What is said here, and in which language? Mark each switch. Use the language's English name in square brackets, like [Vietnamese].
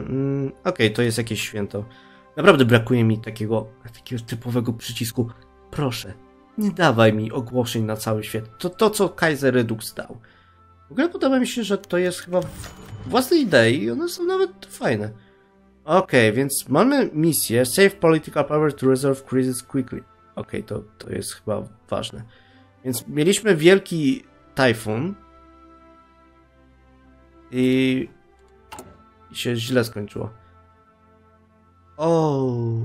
[Polish] Okej, okay, to jest jakieś święto. Naprawdę brakuje mi takiego typowego przycisku. Proszę, nie dawaj mi ogłoszeń na cały świat. To co Kaiser Redux dał. W ogóle podoba mi się, że to jest chyba własne idee i one są nawet fajne. Okej, okay, więc mamy misję. [English] Save political power to resolve crisis quickly. [Polish] Okej, okay, to jest chyba ważne. Więc mieliśmy wielki tajfun. I się źle skończyło. O.